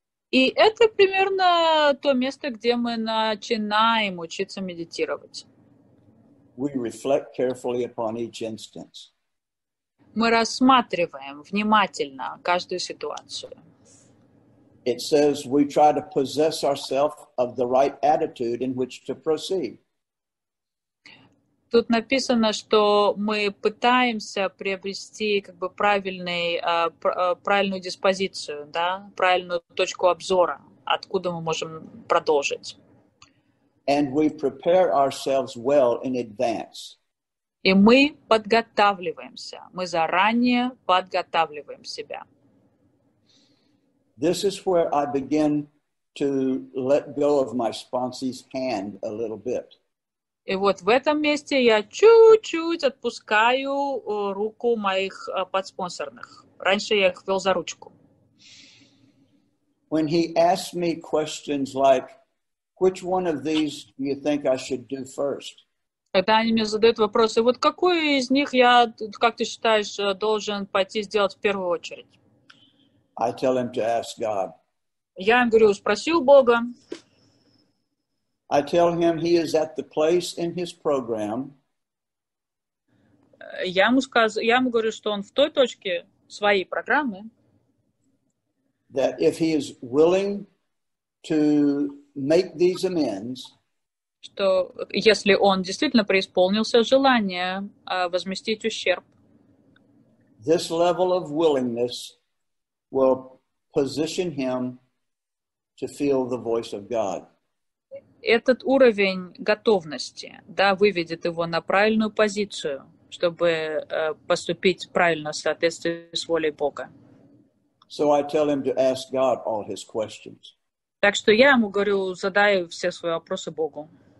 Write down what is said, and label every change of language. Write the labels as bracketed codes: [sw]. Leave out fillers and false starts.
[ru] И это примерно то место, где мы начинаем учиться медитировать. Мы рассматриваем внимательно каждую ситуацию. [en] It says we try to possess ourselves of the right attitude in which to proceed. [ru] Тут написано, что мы пытаемся приобрести как бы правильную диспозицию, да, правильную точку обзора, откуда мы можем продолжить. [en] And we prepare ourselves well in advance. [ru] И мы подготавливаемся, мы заранее подготавливаем себя. [en] This is where I begin to let go of my sponsee's hand a little bit. [ru] И вот в этом месте я чуть-чуть отпускаю руку моих подспонсорных. Раньше я их вел за ручку. [en] When he asked me questions like, which one of these do you think I should do first? [ru] Когда они мне задают вопросы, вот какую из них я, как ты считаешь, должен пойти сделать в первую очередь? [en] I tell him to ask God. [ru] Я им говорю, спроси у Бога. [en] I tell him he is at the place in his program. [ru] Я ему говорю, что он в той точке своей программы. [en] That if he is willing to make these amends. [ru] Что если он действительно преисполнился желания возместить ущерб. [en] This level of willingness will position him to feel the voice of God. [ru] Этот уровень готовности, да, выведет его на правильную позицию, чтобы поступить правильно в соответствии с волей Бога. [en] So I tell him to ask God all his questions. [ru] Так что я ему говорю, задаю все свои вопросы Богу.